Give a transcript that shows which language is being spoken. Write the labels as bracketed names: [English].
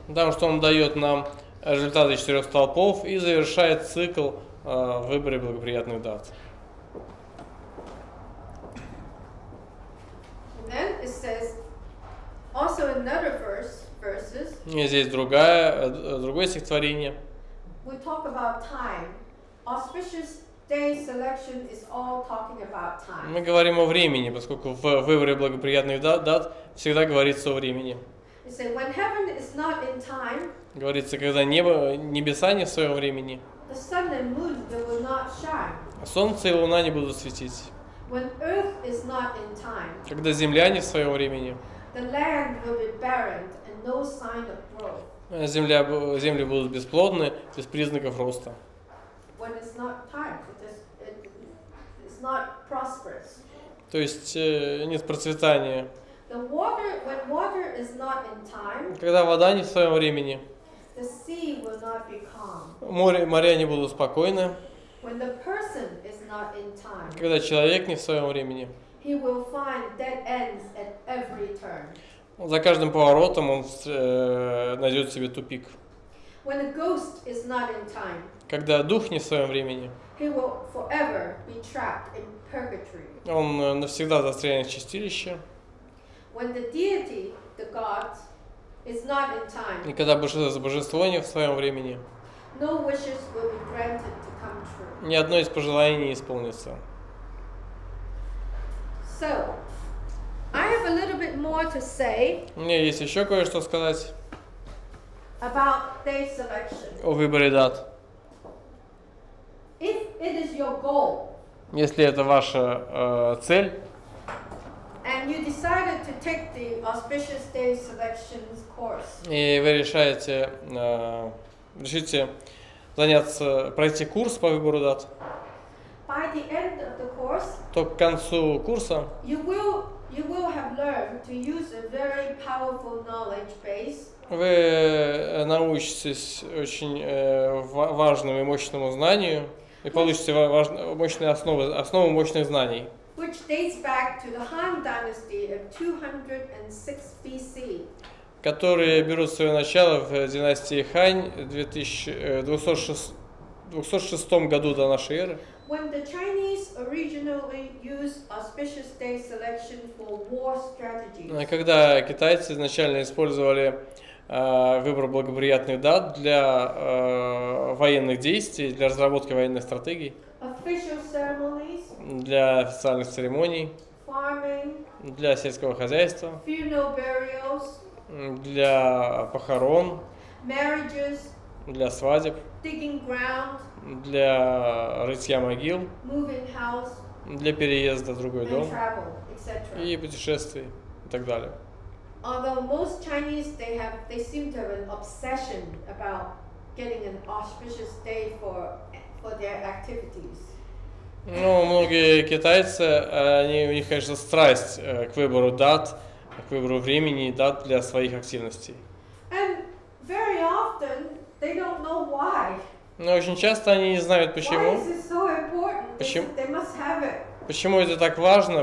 [Russian] Потому что он дает нам результаты четырех столпов и завершает цикл выбора благоприятных дат. [English] Then it says also another verse. [Russian] И здесь другое стихотворение. [English] We talk about time. Auspicious day selection is all talking about time. [Russian] Мы говорим о времени, поскольку в выборе благоприятных дат всегда говорится о времени. [English] It says, when heaven is not in time. [Russian] Говорится, когда небеса не в своем времени. [English] The sun and moon they will not shine. [Russian] Солнце и луна не будут светить. [English] When earth is not in time. [Russian] Когда земля не в своем времени. [English] The land will be barren and no sign of growth. [Russian] земля, земли будут бесплодны, без признаков роста. [English] When it's not time, it's not prosperous. [Russian] То есть нет процветания. [English] The water, when water is not in time, [Russian] когда вода не в своем времени, [English] the sea will not be calm. [Russian] Моря не будут спокойны. [English] When the person is not in time, [Russian] когда человек не в своем времени, [English] he will find dead ends at every turn. [Russian] За каждым поворотом он найдет себе тупик. [English] When a ghost is not in time, [Russian] когда дух не в своем времени, [English] he will forever be trapped in purgatory. [Russian] Он навсегда застрянет в чистилище. [English] When the deity, the god, is not in time, [Russian] и когда божество не в своем времени, [English] no wishes will be granted to come true. [Russian] Ни одно из пожеланий не исполнится. [English] So, I have a little bit more to say. [Russian] У меня есть еще кое-что сказать. [English] About day selection. [Russian] О выборе дат. [English] If it is your goal. [Russian] Если это ваша цель. [English] And you decided to take the auspicious day selection course. [Russian] И вы решите заняться, пройти курс по выбору дат. [English] By the end of the course. [Russian] То к концу курса. [English] You will have learned to use a very powerful knowledge base. [Russian] Вы научитесь очень важному и мощному знанию и получите основу мощных знаний. [English] Which dates back to the Han dynasty of 206 BC. [Russian] Которые берут свое начало в династии Хань в 206 году до нашей эры. [English] When the Chinese originally used auspicious day selection for war strategies. [Russian] Когда китайцы изначально использовали выбор благоприятных дат для военных действий, для разработки военных стратегий. [English] Official ceremonies. [Russian] Для официальных церемоний. [English] Farming. [Russian] Для сельского хозяйства. [English] Funeral burials. [Russian] Для похорон. [English] Marriages. [Russian] Для свадеб. [English] Digging ground. [Russian] Для рытья могил, [English] house, [Russian] для переезда в другой дом, [English] travel, [Russian] и путешествий, и так далее. [English] Although most Chinese, they seem to have an obsession about getting an auspicious day for their activities. [Russian] Ну, многие китайцы, у них, конечно, страсть к выбору дат, к выбору времени и дат для своих активностей. [English] And very often, they don't know why. [Russian] Но очень часто они не знают, почему. Почему это так важно?